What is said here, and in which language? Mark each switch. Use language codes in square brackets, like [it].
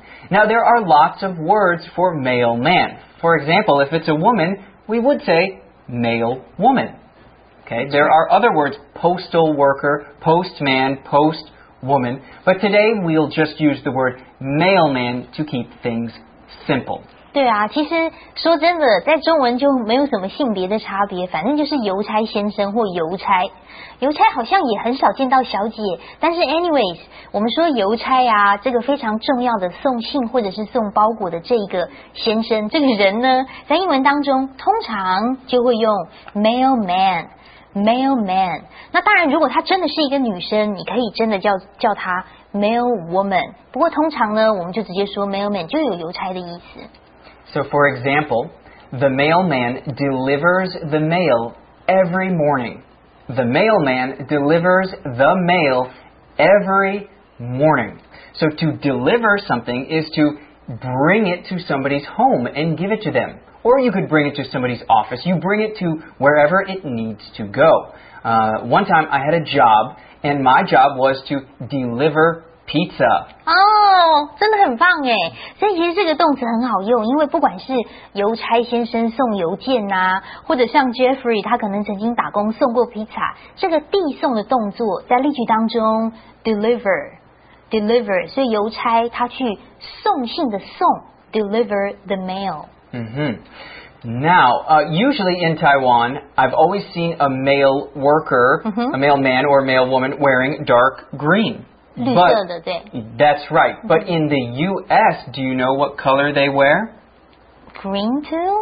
[en] Now, there are lots of words for mailman. For example, if it's a woman, we would say mail woman. Okay? There are other words, postal worker, postman, postwoman. But today, we'll just use the word mailman to keep things simple. [zh] 对啊，其实说真的，在中文就没有什么性别的差别，反正就是邮差先生或邮差。邮差好像也很少见到小姐，但是 anyways， 我们说邮差啊，这个非常重要的送信或者是送包裹的这个先生，这个人呢，在英文当中通常就会用 mailman。 Mailman， 那当然，如果她真的是一个女生，你可以真的叫她 mailwoman。不过通常呢，我们就直接说 mailman 就有邮差的意思。 [en] So, for example, the mailman delivers the mail every morning. The mailman delivers the mail every morning. So, to deliver something is to bring it to somebody's home and give it to them. Or you could bring it to somebody's office. You bring it to wherever it needs to go. One time I had a job, and my job was to deliver pizza. [zh] Oh, 真的很棒耶。所以其实这个动词很好用，因为不管是邮差先生送邮件啊，或者像 Jeffrey 他可能曾经打工送过 pizza， 这个递送的动作在例句当中 deliver， 所以邮差他去送信的送 deliver the mail。 Mm-hmm. [en] Now, usually in Taiwan, I've always seen a male worker, mm-hmm. a male man or a male woman wearing dark green. [zh] 绿色的，对。 [en] That's right. But in the U.S., do you know what color they wear? Green too?